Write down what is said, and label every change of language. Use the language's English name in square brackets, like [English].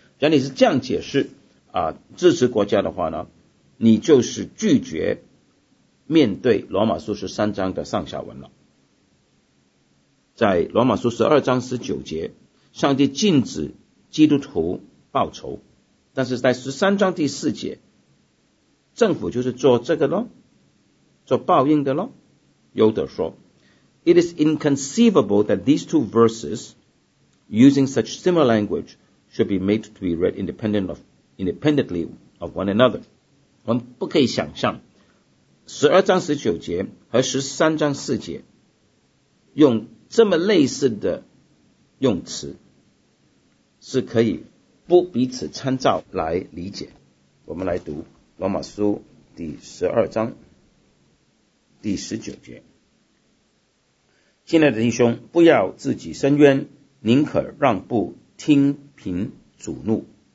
[Chinese] 假如你是这样解释支持国家的话呢，你就是拒绝面对罗马书十三章的上下文了。在罗马书十二章十九节，上帝禁止基督徒报仇，但是在十三章第四节，政府就是做这个咯，做报应的咯。有的说 [English] It is inconceivable that these two verses using such similar language should be made to be read independently of one another。 [Chinese] 我们不可以想象十二章十九节和十三章四节用这么类似的用词是可以不彼此参照来理解。我们来读罗马书第十二章第十九节，亲爱的弟兄，不要自己伸冤，宁可让步听凭主怒。